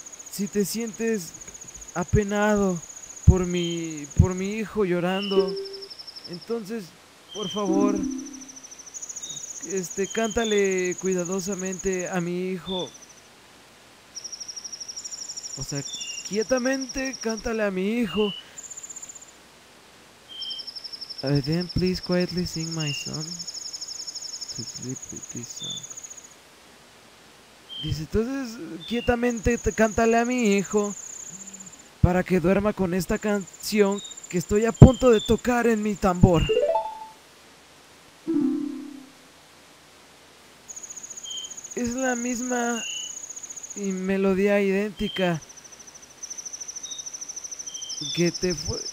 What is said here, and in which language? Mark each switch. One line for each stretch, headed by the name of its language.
Spanish: Si te sientes apenado por mi hijo llorando, entonces, por favor, cántale cuidadosamente a mi hijo. O sea, quietamente cántale a mi hijo.
English: Then please quietly sing my son to sleep with this song.
Spanish: Dice, entonces quietamente cántale a mi hijo para que duerma con esta canción que estoy a punto de tocar en mi tambor. Es la misma y melodía idéntica que te fue.